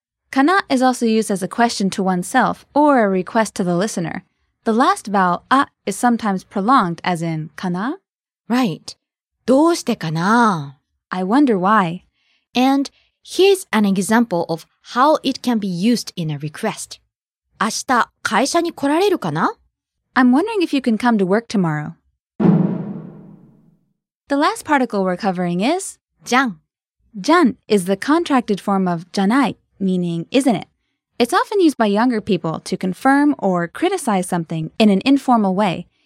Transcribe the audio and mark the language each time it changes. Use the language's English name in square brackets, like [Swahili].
[English] かな is also used as a question to oneself or a request to the listener. The last vowel, あ, is sometimes prolonged as in かな? Right. [Japanese] どうしてかな? [English] I wonder why. And here's an example of how it can be used in a request. [Japanese] 明日、会社に来られるかな? [English] I'm wondering if you can come to work tomorrow. The last particle we're covering is [Japanese] じゃん。 [English] じゃん is the contracted form of じゃない, meaning isn't it? It's often used by younger people to confirm or criticize something in an informal way.